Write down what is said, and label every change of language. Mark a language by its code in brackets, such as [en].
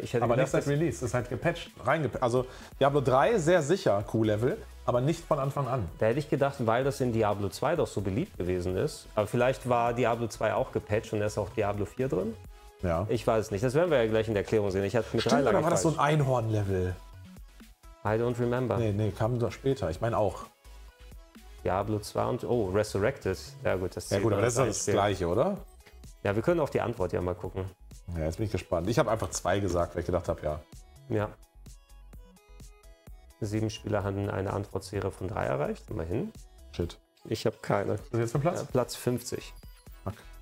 [de] Nicht seit Release, ist halt gepatcht, reingepatcht. Also Diablo 3 sehr sicher Q-Level, aber nicht von Anfang an. Da hätte ich gedacht, weil das in Diablo 2 doch so beliebt gewesen ist. Aber vielleicht war Diablo 2 auch gepatcht und da ist auch Diablo 4 drin. Ja. Ich weiß es nicht. Das werden wir ja gleich in der Erklärung sehen. Ich hatte mit 3 lange gefallen. Stimmt, oder war das so ein Einhorn-Level? [en] I don't remember. [de] Nee, kam doch später. Ich meine auch. Diablo 2 und, oh, Resurrected. Ja gut, das ist ja gut, aber das ist das Gleiche, oder? Ja, wir können auf die Antwort ja mal gucken. Ja, jetzt bin ich gespannt. Ich habe einfach 2 gesagt, weil ich gedacht habe, ja. Ja. 7 Spieler haben eine Antwortserie von 3 erreicht. Immerhin. [en] Shit. [de] Ich habe keine. Was ist jetzt für Platz? Platz 50. Fuck.